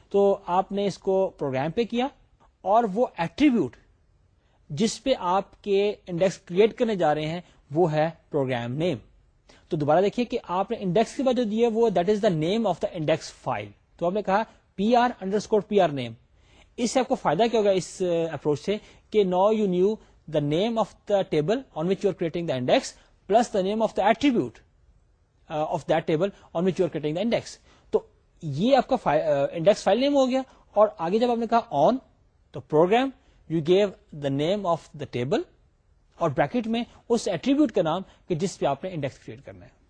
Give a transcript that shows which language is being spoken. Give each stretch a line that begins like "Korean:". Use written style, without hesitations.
Urdu: تو آپ نے اس کو پروگرام پہ کیا, اور وہ ایٹریبیوٹ جس پہ آپ کے انڈیکس کریٹ کرنے جا رہے ہیں وہ ہے پروگرام نیم. تو دوبارہ دیکھیے کہ آپ نے انڈیکس کے بعد جو دیا وہ
English: That is the name of the index file.
Urdu: تو آپ نے کہا P R under score P R نیم. اس سے آپ کو فائدہ کیا ہوگا اس اپروچ سے کہ
English: No you knew the name of the table on which you are creating the index plus the name of the attribute of that table on which you are creating the index.
Urdu: تو یہ آپ کا index file name ہو گیا. اور آگے جب آپ نے کہا آن تو programme,
English: you gave the name of the table
Urdu: اور bracket میں اس attribute کا نام کہ جس پہ آپ نے index create کرنا ہے.